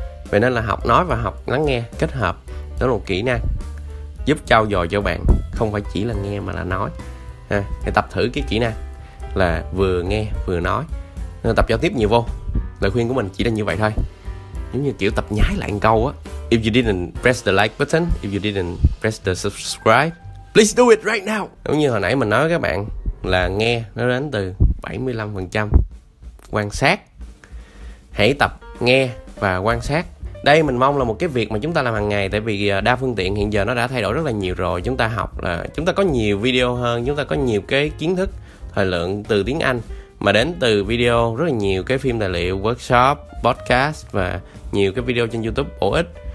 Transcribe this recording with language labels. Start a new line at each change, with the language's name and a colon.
Vietnamese: Vậy nên là học nói và học lắng nghe kết hợp, đó là một kỹ năng giúp trau dồi cho bạn, không phải chỉ là nghe mà là nói. Thì tập thử cái kỹ năng là vừa nghe vừa nói, tập giao tiếp nhiều vô. Lời khuyên của mình chỉ là như vậy thôi, giống như kiểu tập nhái lại một câu á.
English: If you didn't press the like button, if you didn't press the subscribe, please do it right now.
Vietnamese: Giống như hồi nãy mình nói với các bạn là nghe nó đến từ 75% quan sát. Hãy tập nghe và quan sát. Đây mình mong là một cái việc mà chúng ta làm hàng ngày, tại vì đa phương tiện hiện giờ nó đã thay đổi rất là nhiều rồi. Chúng ta học là chúng ta có nhiều video hơn, chúng ta có nhiều cái kiến thức thời lượng từ tiếng Anh mà đến từ video, rất là nhiều cái phim tài liệu, workshop, podcast và nhiều cái video trên YouTube bổ ích.